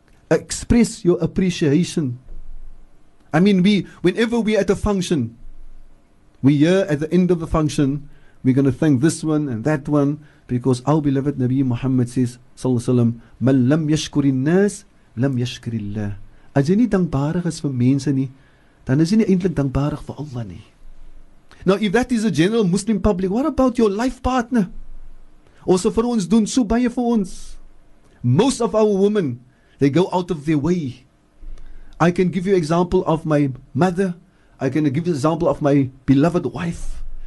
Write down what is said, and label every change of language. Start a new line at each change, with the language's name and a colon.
English: Express your appreciation. I mean, whenever we're at a function, we hear at the end of the function, we're going to thank this one and that one, because our beloved Nabi Muhammad says, sallallahu alaihi wasallam,
Arabic: "Man lam yashkuri nas, lam yashkuri Allah."
Afrikaans: As jy nie dankbaarig is vir mense nie, dan is jy nie eintlik dankbaarig vir Allah nie.
English: Now, if that is a general Muslim public, what about your life partner? Also for
Afrikaans: ons doen so baie vir ons.
English: Most of our women, they go out of their way. I can give you an example of my mother. I can give you an example of my beloved wife.